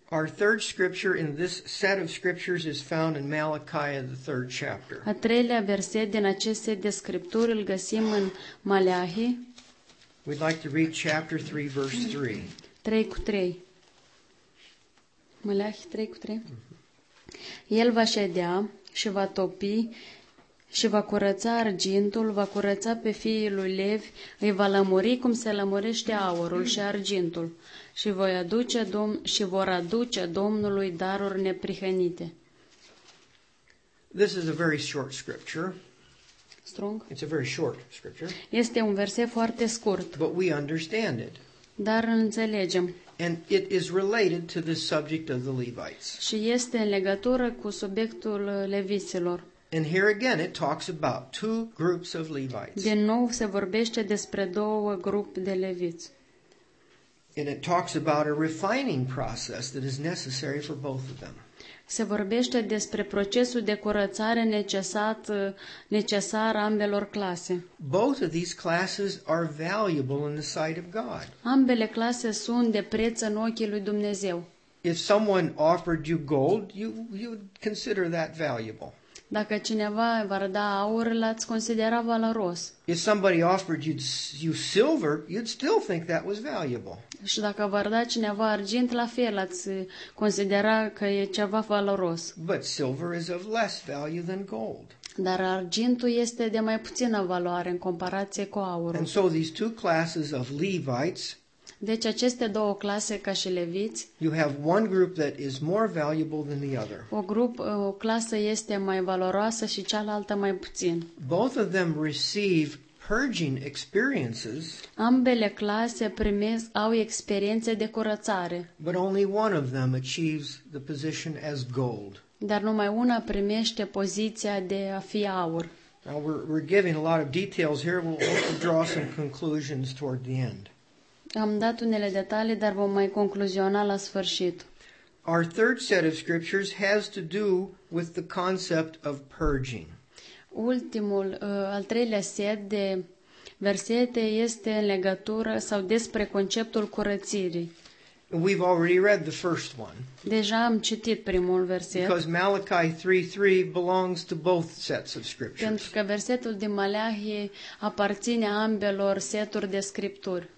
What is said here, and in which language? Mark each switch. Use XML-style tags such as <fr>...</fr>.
<en>Our third scripture in this set of scriptures is found in Malachi, the third chapter.</en> <ro>A treilea verset din acest set de scripturi îl găsim în Maleahi.</ro> <en>We'd like to read chapter 3, verse 3.</en> <ro>3 cu 3. Maleahi 3 cu 3. El va ședea și va topi și va curăța argintul, va curăța pe fiii lui Levi, îi va lămuri cum se lămurește aurul și argintul. Și voi aduce vor aduce Domnului daruri neprihănite.</ro> <en>This is a very short scripture. Strong? It's a very short scripture.</en> <ro>Este un verset foarte scurt.</ro> <en>But we understand it.</en> <ro>Dar îl înțelegem.</ro> <en>And it is related to the subject of the Levites.</en> <ro>Și este în legătură cu subiectul leviților.</ro> <en>And here again it talks about two groups of Levites.</en> <ro>Din nou se vorbește despre două grupuri de leviți.</ro> <en>And it talks about a refining process that is necessary for both of them.</en> <ro>Se vorbește despre procesul de curățare necesar ambelor clase.</ro> <en>Both of these classes are valuable in the sight of God.</en> <ro>Ambele clase sunt de preț în ochii lui Dumnezeu.</ro> <en>If someone offered you gold, you would consider that valuable.</en> <ro>Dacă cineva v-ar da aur, l-ați considera valoros.</ro> <en>If somebody offered you silver, you'd still think that was valuable.</en> <ro>Și dacă v-ar da cineva argint, la fel ați considera că e ceva valoros.</ro> <en>But silver is of less value than gold.</en> <ro>Dar argintul este de mai puțină valoare în comparație cu aurul.</ro> <en>And so these two classes of Levites.</en> <ro>Deci aceste două clase ca și leviți.</ro> <en>You have one group that is more valuable than the other.</en> <ro>O clasă este mai valoroasă și cealaltă mai puțin.</ro> <en>Both of them receive purging experiences.</en> <ro>Ambele clase au experiențe de curățare.</ro> <en>But only one of them achieves the position as gold.</en> <ro>Dar numai una primește poziția de a fi aur.</ro> <en>Now we're giving a lot of details here. We'll draw some conclusions toward the end.</en> <ro>Am dat unele detalii, dar vom mai concluziona la sfârșit.</ro> <en>Our third set of scriptures has to do with the concept of purging.</en> <ro>Ultimul, al treilea set de versete este în legătură sau despre conceptul curățirii.</ro> <en>We've already read the first one.</en> <ro>Deja am citit primul verset.</ro> <en>Because Malachi 3:3 belongs to both sets of scriptures.</en> <ro>Pentru că versetul din Maleahi aparține ambelor seturi de scripturi.</ro>